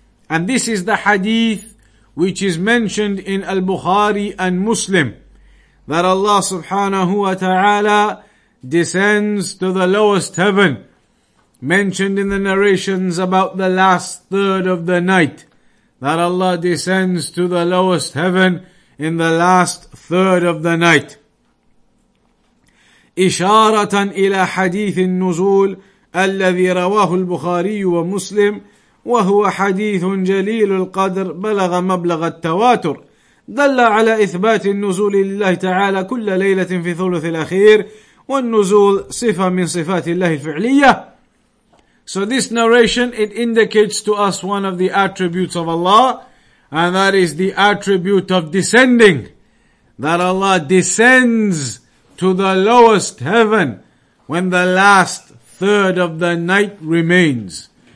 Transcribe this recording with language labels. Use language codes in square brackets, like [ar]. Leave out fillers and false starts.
[en] And this is the hadith which is mentioned in Al-Bukhari and Muslim, that Allah [ar] subhanahu wa ta'ala [en] descends to the lowest heaven, mentioned in the narrations about the last third of the night, that Allah descends to the lowest heaven in the last third of the night. [ar] إشارة إلى حديث النزول الذي رواه البخاري ومسلم وهو حديث جليل القدر بلغ مبلغ التواتر دل على إثبات النزول لله تعالى كل ليلة في ثلث الأخير والنزول صفة من صفات الله الفعلية. [en] So this narration, it indicates to us one of the attributes of Allah, and that is the attribute of descending, that Allah descends to the lowest heaven when the last third of the night remains.